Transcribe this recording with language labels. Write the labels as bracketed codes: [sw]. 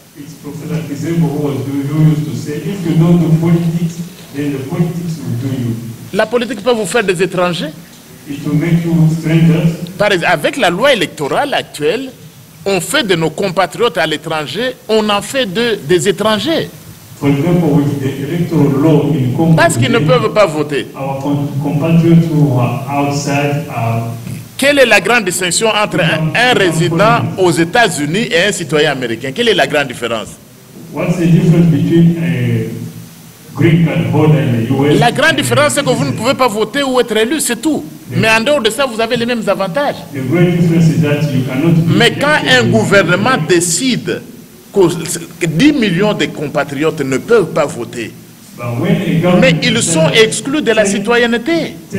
[en] It's Professor Kizerbo who used to say, if you don't do politics, then the politics will do you. [fr] La politique peut vous faire des étrangers. [en] It will make you strangers. [fr] Par exemple, avec la loi électorale actuelle, on fait de nos compatriotes à l'étranger, on en fait des étrangers. [en] For example, with the electoral law in Congo, [fr] parce qu'ils ne peuvent pas voter. [en] Our compatriots who are outside are. [fr] Quelle est la grande distinction entre un résident aux États-Unis et un citoyen américain? Quelle est la grande différence? [en] What's the difference between a green card holder in the US? [fr] La grande différence, c'est que vous ne pouvez pas voter ou être élu, c'est tout. Mais en dehors de ça, vous avez les mêmes avantages. [en] The great difference is that you cannot. [fr] Mais quand un gouvernement décide que 10 millions de compatriotes ne peuvent pas voter, mais ils sont exclus de la citoyenneté.